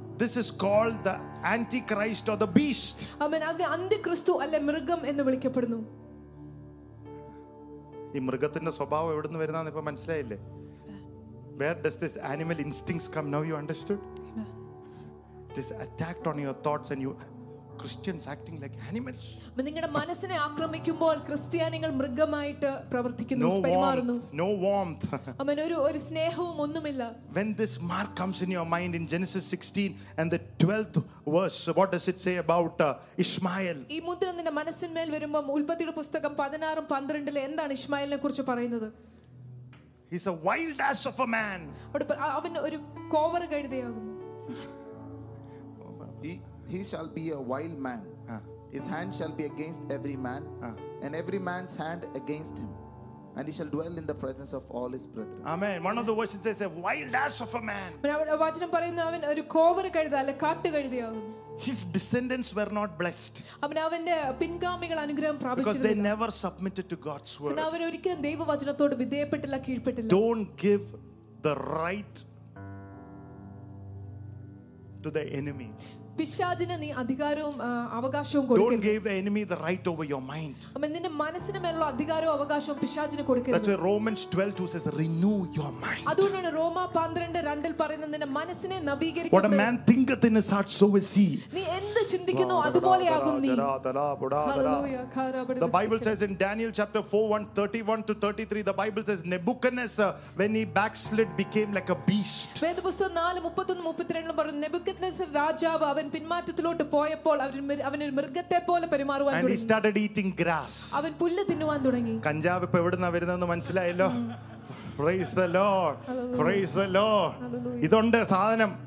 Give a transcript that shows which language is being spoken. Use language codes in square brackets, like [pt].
[en] This is called the Antichrist or the Beast. [ml] അമ്മ അത് അന്തിക്രിസ്തു അല്ലേ മൃഗം എന്ന് വിളിക്കപ്പെടുന്നു. ഈ മൃഗത്തിന്റെ സ്വഭാവം എവിടെ നിന്ന് വരുന്ന ഇപ്പൊ മനസ്സിലായില്ലേ? [en] Where does this animal instincts come? Now you understood? This attacked on your thoughts and you Christians acting like animals. [ml] നിങ്ങളുടെ മനസ്സിനെ ആക്രമിക്കുമ്പോൾ ക്രിസ്ത്യാനികൾ മൃഗമായിട്ട് പ്രവർത്തിക്കുന്നു, പെരുമാറുന്നു. [en] No warmth. [ml] അമ്മ ഒരു ഒരു സ്നേഹവും ഒന്നുമില്ല. [en] When this mark comes in your mind in Genesis 16 and the 12th verse, what does it say about Ishmael? [ml] ഈ മുദ്ര നിന്റെ മനസ്സിന്മേൽ വരുമ്പോൾ ഉൽപ്പത്തിയുടെ പുസ്തകം 16:12 എന്താണ് ഇസ്മായിലിനെ കുറിച്ച് പറയുന്നത്? [en] He's a wild ass of a man. [ml] അവൻ ഒരു കോവർ കഴുതയാകുന്നു. [en] He shall be a wild man. His hand shall be against every man, and every man's hand against him, and he shall dwell in the presence of all his brethren. Amen. One of the verses says a wild ass of a man. [ml] വചനം പറയുന്നു അവൻ ഒരു കോവര കഴുത അല്ല കാട്ടു കഴുതയാകുന്നു. [en] His descendants were not blessed. [ml] അവനെ അവന്റെ പിൻഗാമികൾ അനുഗ്രഹം പ്രാപിച്ചില്ല. [en] Because they never submitted to God's word. [ml] അവർ ഒരിക്കലും ദൈവവചനത്തോട് വിധേയപ്പെട്ടില്ല, കീഴ്പ്പെട്ടില്ല. [en] Don't give the right to the enemy. [ml] പിശാചിനെ നീ അധികാരവും അവകാശവും കൊടുക്കരുത്. [en] Don't give the enemy the right over your mind. [ml] അമ്മ നിന്റെ മനസ്സിനെ മേലുള്ള അധികാരവും അവകാശവും പിശാചിനെ കൊടുക്കരുത്. [en] That's why Romans 12:2 says renew your mind. [ml] അതുകൊണ്ടാണ് റോമാ 12:2 പറയുന്നത് നിന്റെ മനസ്സിനെ നവീകരിക്കുക. [en] What a man thinketh in his heart so is he. [ml] നീ എന്ത് ചിന്തിക്കുന്നു അതുപോലെ ആകും നീ. [en] The Bible says in Daniel 4:31-33 the Bible says Nebuchadnezzar when he backslid became like a beast. [ml] വേദപുസ്തകം 4:31-32 പറയുന്നു നെബുക്കദ്നേസർ രാജാവ് അവൻ പിന്മാറ്റത്തിലോട്ട് പോയപ്പോൾ അവൻ മൃഗത്തെ പോലെ പെരുമാറുവാൻ തുടങ്ങി. [en] And he started eating grass. [ml] അവൻ പുല്ല് തിന്നുവാൻ തുടങ്ങി. കഞ്ചാവ് ഇപ്പോ എവിടുന്ന വരുന്നെന്ന് മനസ്സിലായല്ലോ. [en] Praise the Lord. Praise the Lord. [ml] ഇതുണ്ട് സാധനം.